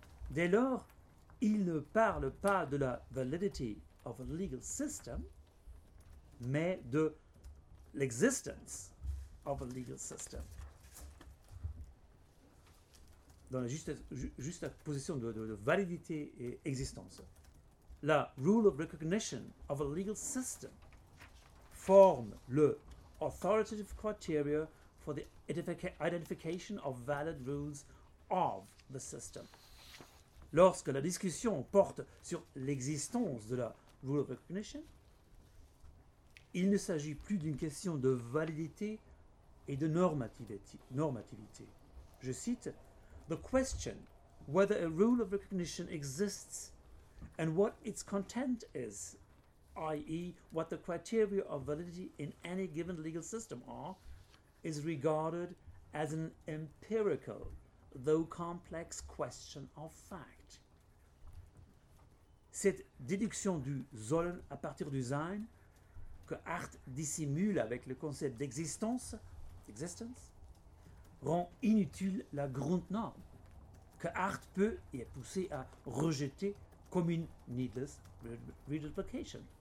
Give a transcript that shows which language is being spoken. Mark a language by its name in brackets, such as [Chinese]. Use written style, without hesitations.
[French] Dès lors, il ne parle pas de la [English] validity of a legal system, [French] mais de l'existence [English] of a legal system. [French] Dans la juste position de validité et existence. [English] La rule of recognition of a legal system [French] forme le [English] authoritative criteria for the identification of valid rules of the system. [French] Lorsque la discussion porte sur l'existence de la rule of recognition, il ne s'agit plus d'une question de validité et de normativité. Je cite, [English] The question whether a rule of recognition exists and what its content is, i.e. what the criteria of validity in any given legal system are, is regarded as an empirical, though complex, question of fact. [French] Cette déduction du Sollen à partir du Sein, que Hart dissimule avec le concept d'existence, existence, rend inutile la Grundnorm, que Hart peut et est poussé à rejeter comme une [English] needless reduplication.